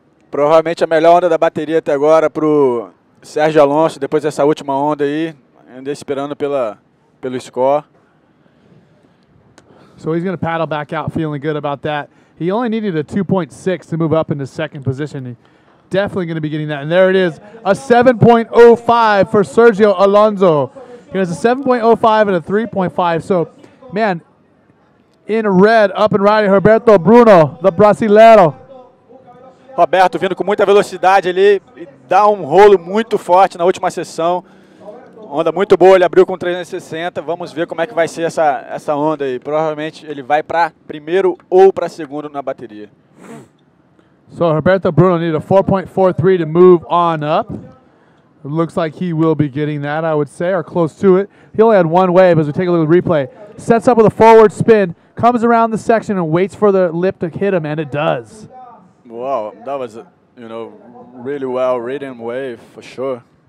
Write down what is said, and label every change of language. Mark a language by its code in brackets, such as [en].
[pt] Provavelmente a melhor onda da bateria até agora para o Sérgio Alonso, depois dessa última onda aí, ainda esperando pelo score. [en] So he's going to paddle back out feeling good about that. He only needed a 2.6 to move up into second position. Definitely going to be getting that. And there it is, a 7.05 for Sergio Alonso. He has a 7.05 and a 3.5. So, man, in red, up and riding, Roberto Bruno, the Brasileiro. [pt] Roberto vindo com muita velocidade ali, dá um rolo muito forte na última sessão. Onda muito boa, ele abriu com 360. Vamos ver como é que vai ser essa onda aí. Provavelmente ele vai para primeiro ou para segundo na bateria. [en] So Roberto Bruno needed a 4.43 to move on up. It looks like he will be getting that, I would say, or close to it. He only had one wave as we take a little replay. Sets up with a forward spin, comes around the section and waits for the lip to hit him, and it does. Wow, that was, you know, really well-ridden wave for sure.